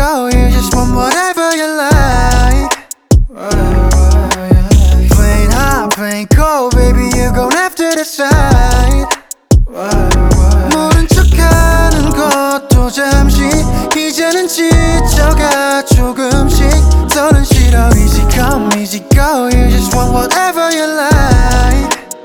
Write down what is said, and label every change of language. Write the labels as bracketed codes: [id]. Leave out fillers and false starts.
[en] you just want whatever you like. Plain hot, plain cold, baby, you gon' have to decide. [ko] 모른 척하는 것도 잠시, 이제는 지쳐가 조금씩. 너는 싫어, [en] easy come, easy go, you just want whatever you like.